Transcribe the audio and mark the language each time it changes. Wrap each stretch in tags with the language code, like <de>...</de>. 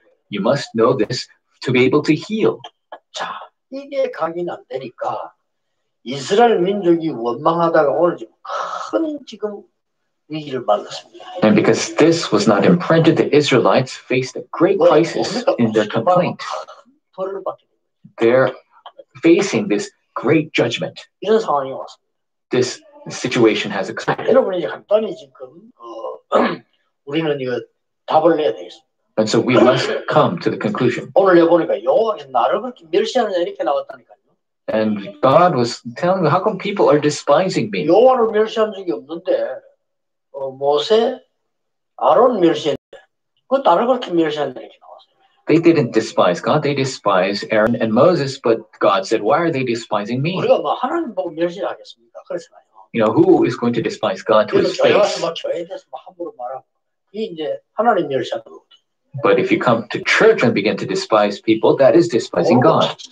<en>You must know this to be able to heal.</en> <ko>자, 이게 각인 안 되니까 이스라엘 민족이 원망하다가 오늘 큰 지금 위기를 만났습니다.</ko> <en>And because this was not imprinted, the Israelites faced a great crisis in their complaint. They're facing this great judgment.</en> <ko>이런 상황이 왔습니다.</ko> <en>This situation has occurred.</en> <ko>여러분이 간단히 지금 우리는 이거 답을 내야 되겠습니다.</ko> <en>And so we must come to the conclusion.</en> <ko>오늘 해보니까 여호와께 나를 그렇게 멸시하느냐 이렇게 나왔다니까요.</ko> <en>And God was telling me, how come people are despising me?</en> <ko>여호와를 멸시한 적이 없는데 모세, 아론 멸시했는데 그 나를 그렇게 멸시하느냐 이렇게 나왔어요.</ko> <en>They didn't despise God. They despised Aaron and Moses. But God said, why are they despising me?</en> <ko>우리가 뭐 하나님 보고 멸시하겠습니까? 그렇잖아요.</ko> <en>You know, who is going to despise God to his face?</en> <ko>교회 와서 교회에 대해서 막 함부로 말하고 이게 이제 하나님 멸시한 거.</ko> <en>But if you come to church and begin to despise people, that is despising God.</en>